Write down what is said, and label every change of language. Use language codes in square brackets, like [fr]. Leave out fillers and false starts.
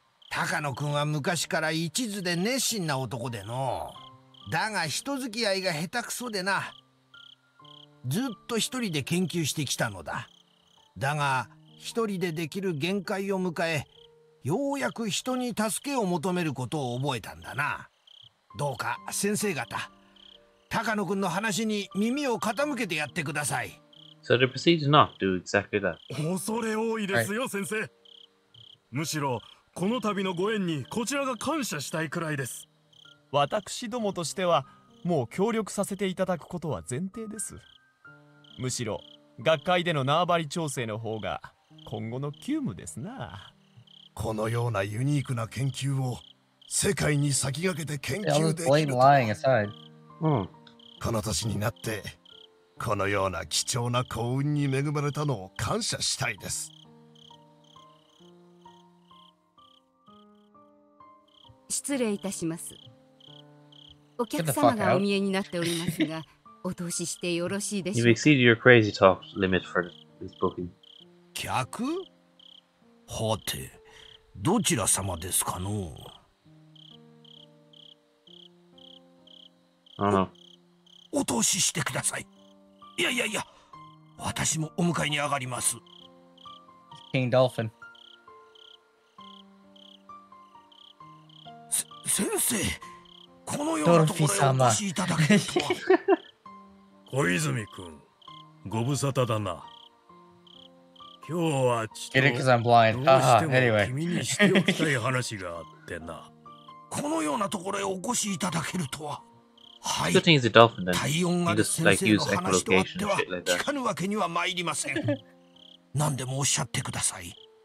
[ja] 高野君は昔から一途で熱心な男でのだが人付き合いが下手くそでな、ずっと一人で研究してきたのだ。だが一人でできる限界を迎え、ようやく人に助けを求めることを覚えたんだな。どうか先生方、高野君の話に耳を傾けてやってください。 [en] So they proceed to not do exactly that. [ja] 恐れ多いですよ、先生。むしろこの度のご縁にこちらが感謝したいくらいです。私どもとしてはもう協力させていただくことは前提です。むしろ学会での縄張り調整の方が今後の急務ですな。このようなユニークな研究を世界に先駆けて研究できるとは、この年になってこのような貴重な幸運に恵まれたのを感謝したいです。失礼いたします。お客様がお見えになっておりますがお通ししてよろしいでしょうか。 [en] You've exceeded your crazy talk limit for this booking. [ja] 客？はて、どちら様ですかの？ [en] I don't know. [ja] お通ししてください。いやいやいや、私もお迎えに上がります。 [en] King Dolphin。 [ja] 先生、このようなところにお越しいただけるとは。小泉君、ご無沙汰だな。今日はちょっとどうしても君にしておきたい話があってな。このようなところへお越しいただけるとは。はい。 [en] The thing is, the dolphin then he just like use echolocation shit like that. [ja] 聞かぬわけには参りません。何でもおっしゃってください。